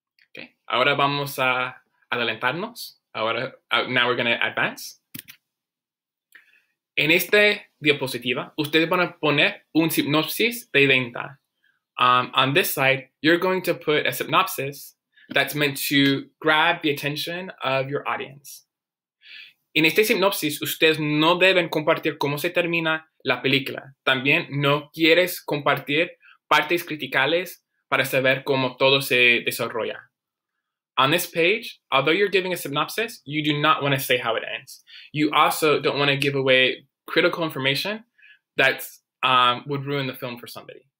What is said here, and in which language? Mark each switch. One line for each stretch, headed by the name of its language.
Spanish: Okay, ahora vamos a adelantarnos.
English: Now we're gonna advance.
Spanish: En esta diapositiva, ustedes van a poner un sinopsis de venta.
English: On this side, you're going to put a synopsis that's meant to grab the attention of your audience.
Spanish: En esta sinopsis, ustedes no deben compartir cómo se termina la película. También no quieres compartir partes criticales para saber cómo todo se desarrolla.
English: On this page, although you're giving a synopsis, you do not want to say how it ends. You also don't want to give away critical information that would ruin the film for somebody.